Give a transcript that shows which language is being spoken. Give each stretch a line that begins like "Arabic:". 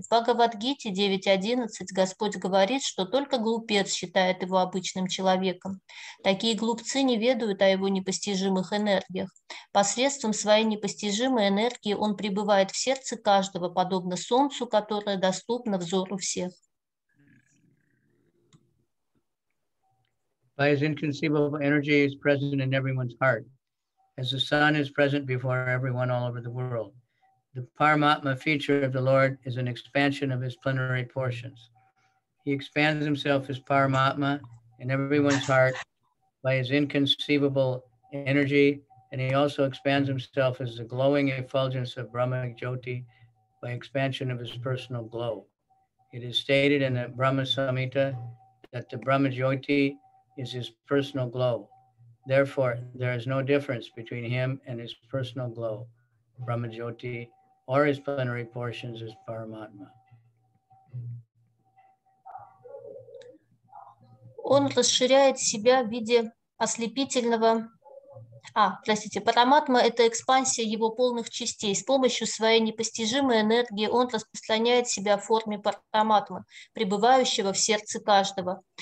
Russian: В Бхагавадгите 9.11 Господь говорит, что только глупец считает его обычным человеком. Такие глупцы не ведают о его непостижимых энергиях. Посредством своей непостижимой энергии он пребывает в сердце каждого, подобно солнцу, которое доступно взору всех.
English: By his inconceivable energy is present in everyone's heart, as the sun is present before everyone all over the world. The Paramatma feature of the Lord is an expansion of his plenary portions. He expands himself as Paramatma in everyone's heart by his inconceivable energy, and he also expands himself as the glowing effulgence of Brahma Jyoti by expansion of his personal glow. It is stated in the Brahma Samhita that the Brahma Jyoti is his personal glow. Therefore, there is no difference between him and his personal glow, Brahma Jyoti, or his plenary portions as Paramatma.
Russian: Он расширяет себя в виде ослепительного А, простите, параматма – это экспансия его полных частей. С помощью своей непостижимой энергии он распространяет себя в форме параматмы, пребывающего в сердце каждого.